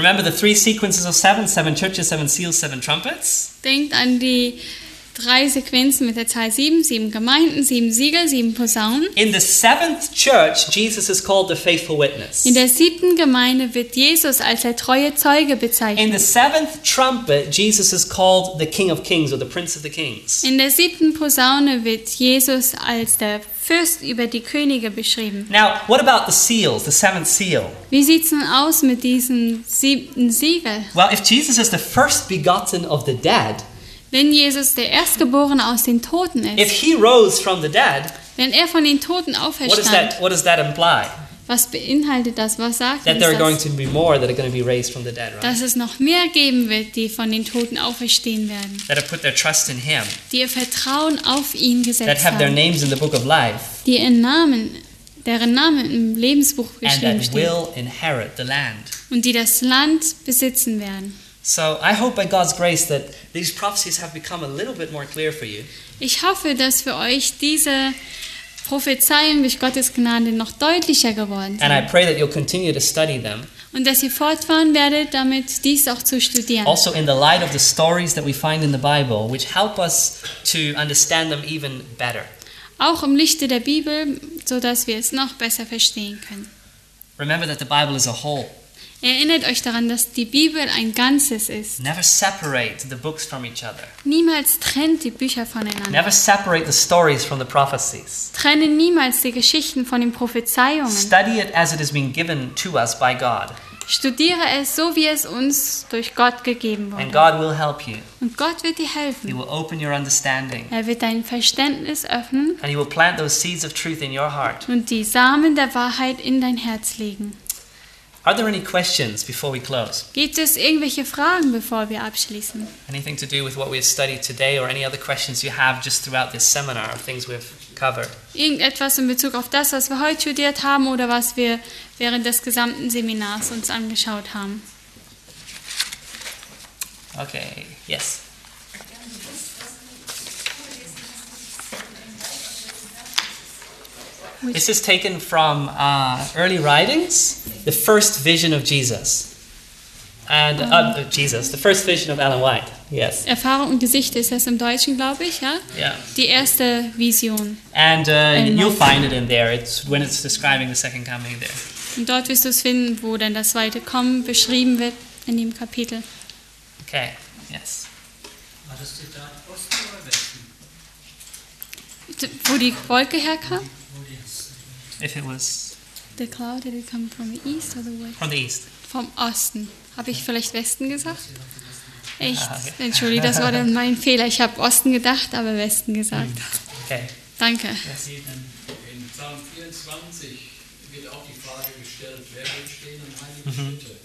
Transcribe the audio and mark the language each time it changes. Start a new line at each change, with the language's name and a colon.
English: Remember the three sequences of seven, seven churches, seven seals, seven trumpets?
German: Denkt an die drei Sequenzen mit der Zahl 7, 7 Gemeinden, 7 Sieger, 7 Posaunen.
English: In the seventh church, Jesus is called the faithful witness.
German: In der siebten Gemeinde wird Jesus als der treue Zeuge bezeichnet.
English: In the seventh trumpet, Jesus is called the King of Kings or the Prince of the Kings.
German: In der siebten Posaune wird Jesus als der Fürst über die Könige beschrieben.
English: Now, what about the seals, the seventh seal?
German: Wie sieht's denn aus mit diesem siebten Siegel?
English: Well, if Jesus is the first begotten of the dead,
German: wenn Jesus der Erstgeborene aus den Toten ist,
English: if he rose from the dead,
German: wenn er von den Toten auferstand,
English: what does that imply?
German: Was beinhaltet das? Was sagt
English: that there
German: das?
English: Are going to be more that are going to be raised from the dead, right?
German: Dass es noch mehr geben wird, die von den Toten auferstehen werden.
English: That have put their trust in him.
German: Die ihr Vertrauen auf ihn gesetzt haben.
English: That have their names in the book of life.
German: Die ihren Namen, deren Namen im Lebensbuch geschrieben stehen.
English: And that will inherit the land.
German: Und die das Land besitzen werden.
English: So I hope by God's grace that these prophecies have become a little bit more clear for you.
German: Ich hoffe, dass für euch diese Prophezeiungen durch Gottes Gnade noch deutlicher geworden sind.
English: And I pray that you'll continue to study them.
German: Und dass ihr fortfahren werdet, damit dies auch zu studieren.
English: Also in the light of the stories that we find in the Bible, which help us to understand them even better.
German: Auch im Lichte der Bibel, so dass wir es noch besser verstehen können.
English: Remember that the Bible is a whole.
German: Erinnert euch daran, dass die Bibel ein Ganzes ist.
English: Never separate the books from each other.
German: Niemals trennt die Bücher voneinander.
English: Never separate the stories from the prophecies.
German: Trenne niemals die Geschichten von den Prophezeiungen.
English: Study it as it has been given to us by God.
German: Studiere es so, wie es uns durch Gott gegeben wurde.
English: And God will help you.
German: Und Gott wird dir helfen.
English: He will open your understanding.
German: Er wird dein Verständnis öffnen.
English: And he will plant those seeds of truth in your heart.
German: Und die Samen der Wahrheit in dein Herz legen.
English: Are there any questions before we close?
German: Gibt es irgendwelche Fragen, bevor wir abschließen?
English: Anything to do with what we have studied today or any other questions you have just throughout this seminar or things we've covered?
German: Irgendetwas in Bezug auf das, was wir heute studiert haben oder was wir während des gesamten Seminars uns angeschaut haben?
English: Okay, yes. This is taken from early writings, the first vision of Jesus. And Jesus, the first vision of Ellen White. Yes.
German: Erfahrung und Gesicht ist es im Deutschen, glaube ich, ja?
English: Yeah.
German: Die erste Vision.
English: And you'll find it in there. It's when it's describing the second coming there.
German: Und dort wirst du es finden, wo dann das zweite Kommen beschrieben wird in dem Kapitel.
English: Okay. Yes.
German: War das Zitat Osten oder Westen? Wo die Wolke herkam?
English: If it was the cloud, did it come from the east or the west? From the east.
German: Vom Osten. Habe ich vielleicht Westen gesagt? Echt? Okay. Entschuldige, das war dann mein Fehler. Ich habe Osten gedacht, aber Westen gesagt. Okay. Danke. In Psalm 24 wird auch die Frage gestellt, wer wird stehen am heiligen Schritte?